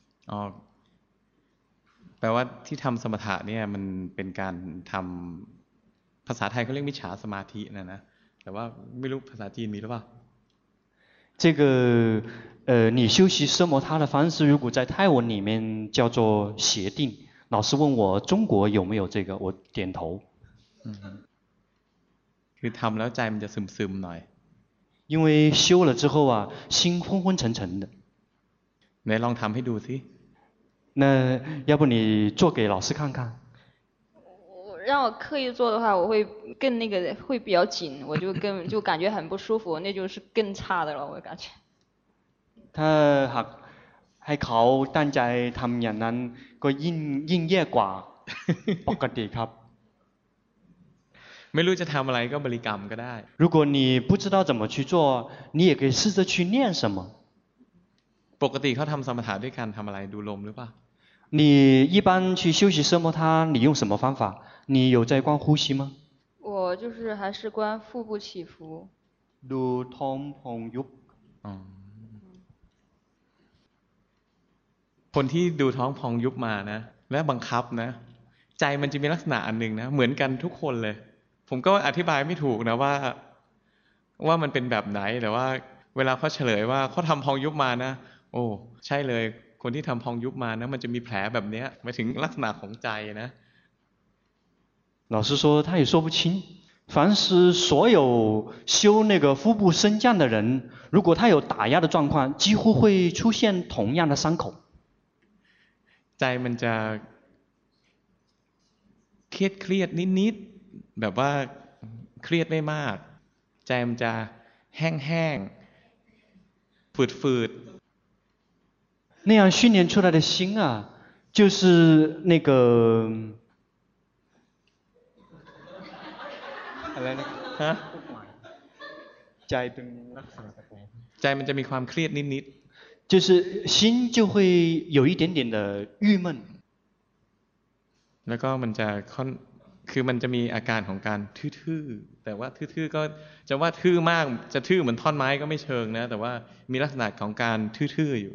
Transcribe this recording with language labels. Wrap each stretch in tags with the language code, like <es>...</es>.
<th>อ๋อแปลว่าที่ทำสมถะเนี่ยมันเป็นการทำภาษาไทยเขาเรียกมิจฉาสมาธินะแต่ว่าไม่รู้ภาษาจีนมีหรือเปล่า</th> <zh>这个你修习奢摩他的方式，如果在泰文里面叫做协定。老师问我中国有没有这个，我点头。嗯，就</zh> <th>ทำแล้วใจมันจะซึมซึมหน่อย。</th> <zh>因为修了之后啊，心昏昏沉沉的。来，</zh> <th>ลองทำให้ดูสิ。</th> <zh>那要不你做给老师看看？让我刻意做的话，我会更那个，会比较紧，我就更就感觉很不舒服，那就是更差的了，我感觉。</zh> <th>ถ้าหากให้เขาตั้งใจทำอย่างนั้นก็ยิ่งแย่กว่าปกติครับ ไม่รู้จะทำอะไรก็บริกรรมก็ได้</th> <zh>如果你不知道怎么去做你也可以试着去念什么</zh> <th>ปกติเขาทำสมถะด้วยการทำอะไรดูลมหรือเปล่า</th> <zh>你一般去休息奢摩他你用什么方法你有在观呼吸吗我就是还是观腹部起伏</zh> <th>ดูท้องพองยุบ คนที่ดูท้องพองยุบมานะและบังคับนะใจมันจะมีลักษณะอันหนึ่งนะเหมือนกันทุกคนเลยผมก็อธิบายไม่ถูกนะว่ามันเป็นแบบไหนแต่ว่าเวลาเขาเฉลยว่าเขาทำพองยุบมานะโอ้ใช่เลยคนที่ทำพองยุบมานะมันจะมีแผลแบบนี้มาถึงลักษณะของใจนะ</th> <zh>老师说他也说不清凡是所有修那个腹部升降的人如果他有打压的状况几乎会出现同样的伤口</zh> <th>ใจมันจะเครียดนิดๆแบบว่าเครียดไม่มากใจมันจะแห้งๆฝืด</th> <zh>ๆ那样训练出来的心啊就是那个</zh> <th>อะไรนะ ฮะ ใจเป็นลักษณะ ใจมันจะมีความเครียดนิดๆ</th> <zh>就是心就会有一点点的郁闷</zh> <th>แล้วก็มันจะคือมันจะมีอาการของการทื่อๆแต่ว่าทื่อๆก็จะว่าทื่อมากจะทื่อเหมือนท่อนไม้ก็ไม่เชิงนะแต่ว่ามีลักษณะของการทื่อๆอยู</th>